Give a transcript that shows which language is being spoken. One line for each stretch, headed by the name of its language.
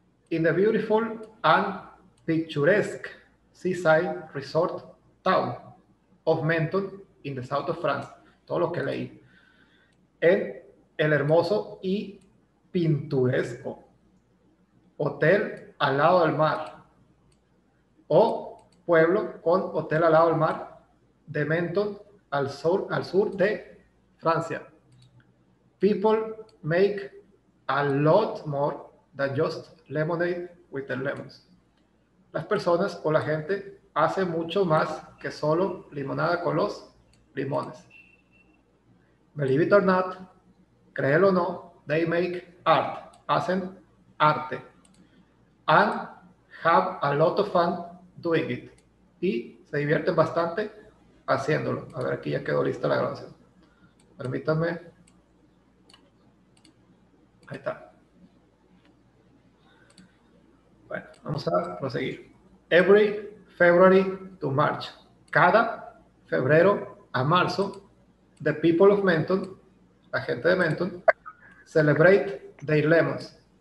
English: In the beautiful and picturesque seaside resort town of Menton in the south of France.
Spanish: Todo lo que leí. En el hermoso y pintoresco hotel al lado del mar. O pueblo con hotel al lado del mar. De Menton al sur de Francia.
English: People make a lot more than just lemonade with their lemons.
Spanish: Las personas o la gente hace mucho más que solo limonada con los limones.
English: Believe it or not,
Spanish: créelo o no,
English: they make art,
Spanish: hacen arte.
English: And have a lot of fun doing it.
Spanish: Y se divierten bastante haciéndolo. A ver, aquí ya quedó lista la grabación. Permítanme. Ahí está. Bueno, vamos a proseguir.
English: Every February to March.
Spanish: Cada febrero a marzo,
English: the people of Menton,
Spanish: la gente de Menton,
English: celebrate their lemons.